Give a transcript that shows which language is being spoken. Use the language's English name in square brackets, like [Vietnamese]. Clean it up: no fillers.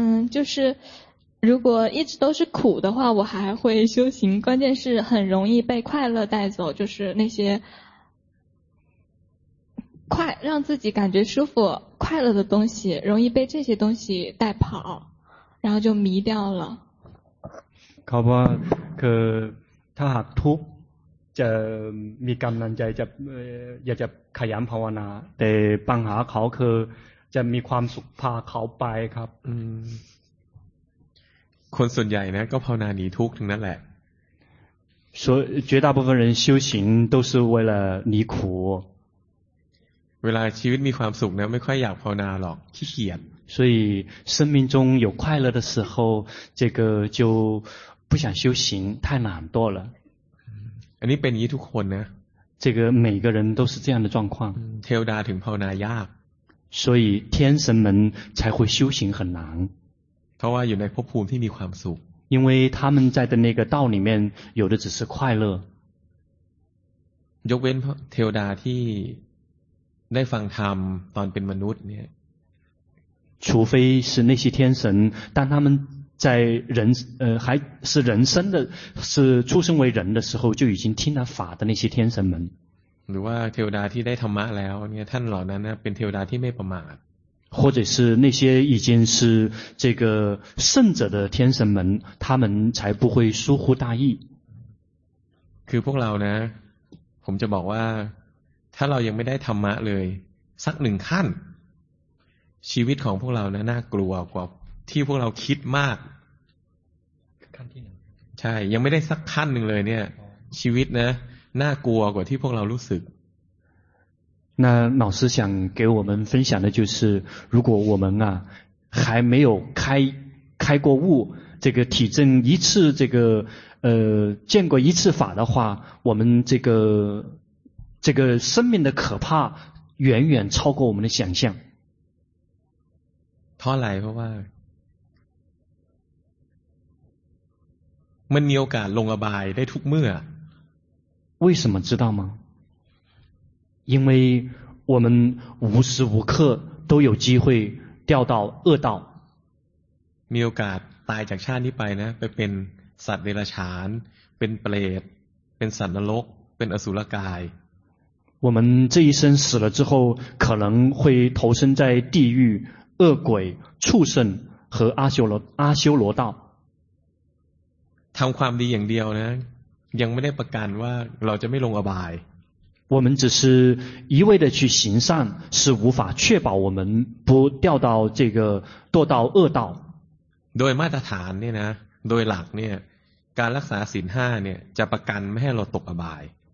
[Chinese] 就是如果一直都是苦的话我还会修行关键是很容易被快乐带走就是那些快让自己感觉舒服快乐的东西容易被这些东西带跑然后就迷掉了 [Thai] ครับว่าคือถ้าหากทุกข์จะมีกำลังใจจะอยากจะขยันภาวนาแต่ปัญหาเขาคือจะมีความสุขพาเขาไปครับ คนส่วนใหญ่นะก็ภาวนาหนีทุกข์ทั้งนั้นแหละ [Chinese] 所以绝大部分人修行都是为了离苦 [Thai] เวลาชีวิตมีความสุขนะไม่ค่อยอยากภาวนาหรอกขี้เกียจ [Chinese] 所以生命中有快乐的时候这个就不想修行太懒惰了 [Thai] อันนี้เป็นอย่างทุกคนนะ [Chinese] 这个每个人都是这样的状况 [Thai] เทวดาถึงภาวนายาก [Chinese] 所以天神们才会修行很难 [Thai] เพราะว่าอยู่ในภพภูมิที่มีความสุข [Chinese] 因为他们在的那个道里面有的只是快乐 [Thai] ยกเว้นเทวดาที่ได้ฟังธรรมตอนเป็นมนุษย์เนี่ย [Chinese] 除非是那些天神当他们在人还是人生的是出生为人的时候就已经听了法的那些天神们 [Thai] หรือว่าเทวดาที่ได้ธรรมะแล้วเนี่ยท่านเหล่านั้นเนี่ยเป็นเทวดาที่ไม่ประมาท [Chinese] 或者是那些已经是这个圣者的天神们他们才不会疏忽大意 [Thai] คือพวกเรานะผมจะบอกว่าถ้าเรายังไม่ได้ธรรมะเลยสักหนึ่งขั้นชีวิตของพวกเราเนี่ยน่ากลัวกว่าที่พวกเราคิดมาก ขั้นที่หนึ่ง ใช่ยังไม่ได้สักขั้นหนึ่งเลยเนี่ยชีวิตนะน่ากลัวกว่าที่พวกเรารู้สึก [Chinese] 那老师想给我们分享的就是如果我们啊还没有开过悟这个体证一次这个见过一次法的话我们这个生命的可怕远远超过我们的想象 [Thai] เพราะอะไรเพราะว่า มันมีโอกาสลงอบายได้ทุกเมื่อ [Chinese] 为什么知道吗因为我们无时无刻都有机会掉到恶道 [Thai] มีโอกาสตายจากชาตินี้ไปนะไปเป็นสัตว์เดรัจฉานเป็นเปรตเป็นสัตว์นรกเป็นอสุรกาย [Chinese] 我们这一生死了之后可能会投身在地狱恶鬼畜生和阿修罗道 [Thai] ทำความดีอย่างเดียวนะยังไม่ได้ประกันว่าเราจะไม่ลงอบาย [Chinese] 我们只是一味的去行善是无法确保我们不掉到这个堕到恶道 [Thai] โดยมาตรฐานเนี่ยนะโดยหลักเนี่ยการรักษาศีล5เนี่ยจะประกันไม่ให้เราตกอบาย